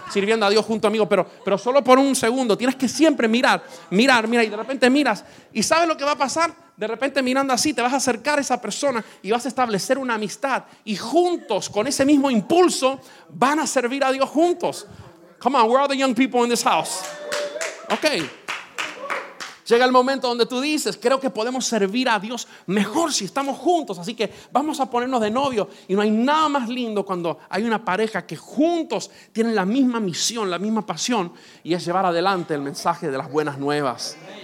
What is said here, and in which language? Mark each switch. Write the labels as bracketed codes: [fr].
[es] Sirviendo a Dios junto a mí, pero solo por un segundo. Tienes que siempre mirar, y de repente miras. ¿Y sabes lo que va a pasar? De repente mirando así te vas a acercar a esa persona y vas a establecer una amistad, y juntos con ese mismo impulso van a servir a Dios juntos. [en] Come on, where are the young people in this house? Okay. [es] Llega el momento donde tú dices, creo que podemos servir a Dios mejor si estamos juntos, así que vamos a ponernos de novio. Y no hay nada más lindo cuando hay una pareja que juntos tienen la misma misión, la misma pasión, y es llevar adelante el mensaje de las buenas nuevas.